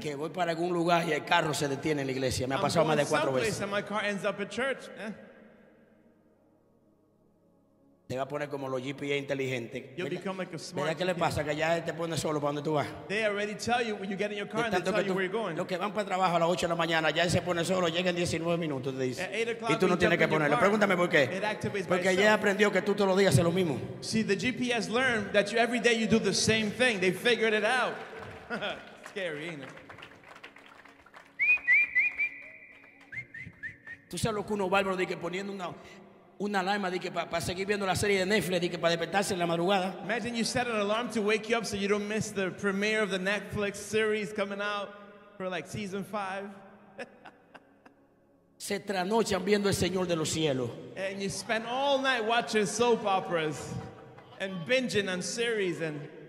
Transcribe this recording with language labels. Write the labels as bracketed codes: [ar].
[es] Que voy para algún lugar y el carro se detiene en la iglesia. Me [en] I'm [es] ha pasado más de cuatro veces. [en] And my car ends up at church. [es] Te va a poner como los GPS inteligentes. [en] You'll become like a smart. [es] ¿Verdad que le pasa que ya te pone solo para donde tú vas? [en] They already tell you when you get in your car and they tell you where you're going. [es] Los que van para trabajo a las 8 de la mañana ya se pone solo, llega en 19 minutos te dice. [en] At 8 o'clock, [es] y tú no tienes que ponerlo. Pregúntame por qué. Porque ya aprendió que tú todos los días haces lo mismo. [en] See, the GPS learned that you, every day you do the same thing. They figured it out. Scary, ain't it? [es] Tú sabes lo que uno bárbaro dice poniendo una alarma de que para seguir viendo la serie de Netflix de que para despertarse en la madrugada. [en] Imagine you set an alarm to wake you up so you don't miss the premiere of the Netflix series coming out for like season 5. [es] Se trasnochan viendo el Señor de los Cielos. [en] And you spend all night watching soap operas and binging on series and.